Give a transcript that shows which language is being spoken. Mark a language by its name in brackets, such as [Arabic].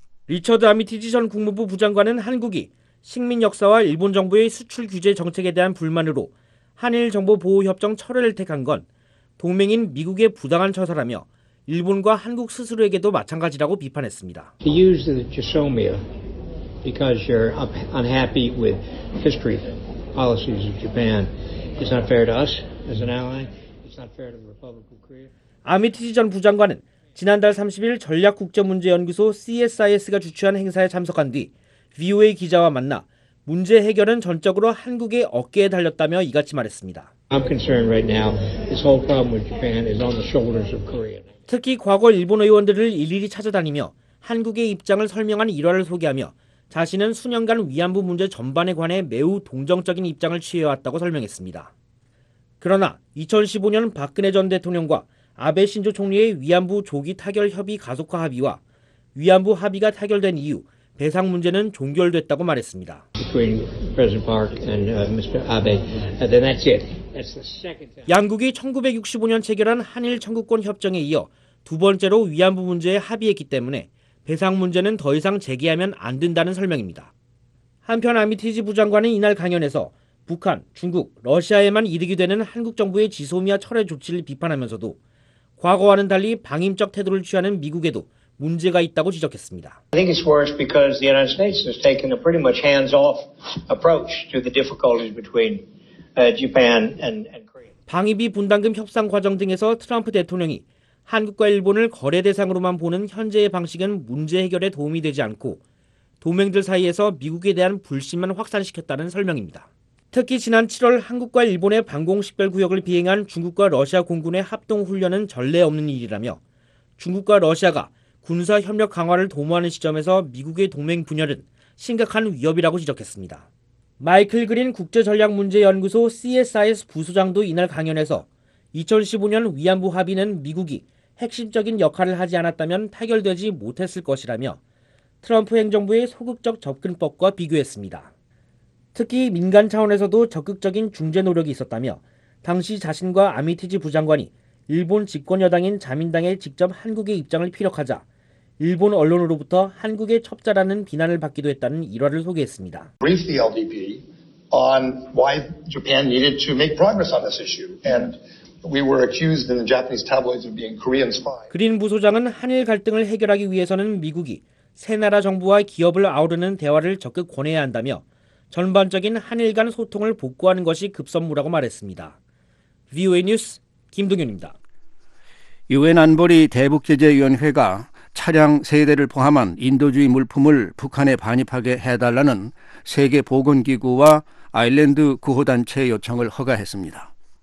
[Korean] 리처드 아미티지 전 국무부 부장관은 한국이 식민 역사와 일본 정부의 수출 규제 정책에 대한 불만으로 한일 정보 보호 협정 철회를 택한 건 동맹인 미국의 부당한 처사라며 일본과 한국 스스로에게도 마찬가지라고 비판했습니다. [English] Because you're unhappy with history policies of Japan, it's not fair to us as an ally. It's not fair to the Republic of Korea. [Korean] 아미티지 전 부장관은 지난달 30일 전략국제문제연구소 CSIS가 주최한 행사에 참석한 뒤 VOA 기자와 만나 문제 해결은 전적으로 한국의 어깨에 달렸다며 이같이 말했습니다. [English] I'm concerned right now. This whole problem with Japan is on the shoulders of Korea. [Korean] 특히 과거 일본 의원들을 일일이 찾아다니며 한국의 입장을 설명한 일화를 소개하며 자신은 수년간 위안부 문제 전반에 관해 매우 동정적인 입장을 취해왔다고 설명했습니다. 그러나 2015년 박근혜 전 대통령과 아베 신조 총리의 위안부 조기 타결 협의 가속화 합의와 위안부 합의가 타결된 이후 배상 문제는 종결됐다고 말했습니다. [English] Between President Park and Mr. Abe, then that's it. That's the second time. [Korean] 양국이 1965년 체결한 한일 청구권 협정에 이어 두 번째로 위안부 문제에 합의했기 때문에 배상 문제는 더 이상 제기하면 안 된다는 설명입니다. 한편 아미티지 부장관은 이날 강연에서 북한, 중국, 러시아에만 이득이 되는 한국 정부의 지소미아 철회 조치를 비판하면서도 과거와는 달리 방임적 태도를 취하는 미국에도 문제가 있다고 지적했습니다. [English] I think it's worse because the United States has taken a pretty much hands-off approach to the difficulties between Japan and Korea. [Korean] 방위비 분담금 협상 과정 등에서 트럼프 대통령이 한국과 일본을 거래 대상으로만 보는 현재의 방식은 문제 해결에 도움이 되지 않고 동맹들 사이에서 미국에 대한 불신만 확산시켰다는 설명입니다. 특히 지난 7월 한국과 일본의 방공식별구역을 비행한 중국과 러시아 공군의 합동훈련은 전례 없는 일이라며 중국과 러시아가 군사협력 강화를 도모하는 시점에서 미국의 동맹 분열은 심각한 위협이라고 지적했습니다. 마이클 그린 국제전략문제연구소 CSIS 부소장도 이날 강연에서 2015년 위안부 합의는 미국이 핵심적인 역할을 하지 않았다면 타결되지 못했을 것이라며 트럼프 행정부의 소극적 접근법과 비교했습니다. 특히 민간 차원에서도 적극적인 중재 노력이 있었다며 당시 자신과 아미티지 부장관이 일본 집권 여당인 자민당에 직접 한국의 입장을 피력하자 일본 언론으로부터 한국의 첩자라는 비난을 받기도 했다는 일화를 소개했습니다. [English] Brief the LDP on why Japan needed to make progress on this issue and we were accused in the Japanese tabloids of being Korean spy. [Korean] 그린 부소장은 한일 갈등을 해결하기 위해서는 미국이 세 나라 정부와 기업을 아우르는 대화를 적극 권해야 한다며 전반적인 한일 간 소통을 복구하는 것이 급선무라고 말했습니다. VOA 뉴스 김동윤입니다. 유엔 안보리 대북제재위원회가 차량 세 대를 포함한 인도주의 물품을 북한에 반입하게 해달라는 세계보건기구와 아일랜드 구호단체의 요청을 허가했습니다.